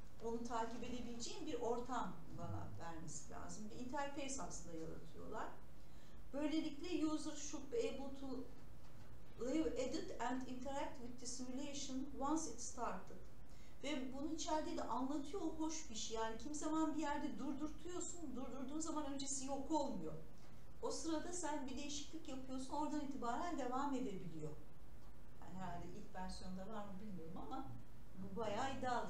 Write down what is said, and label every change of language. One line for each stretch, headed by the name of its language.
Turkish: Onu takip edebileceğim bir ortam bana vermesi lazım. Bir interface aslında yaratıyorlar. Böylelikle
English: user should be able to live, edit and interact with the simulation once it started.
Turkish: Ve bunun içeride de anlatıyor, hoş bir şey. Yani kim zaman bir yerde durdurtuyorsun, durdurduğun zaman öncesi yok olmuyor. O sırada sen bir değişiklik yapıyorsun, oradan itibaren devam edebiliyor. Yani herhalde ilk versiyonda var mı bilmiyorum ama bu bayağı ideal.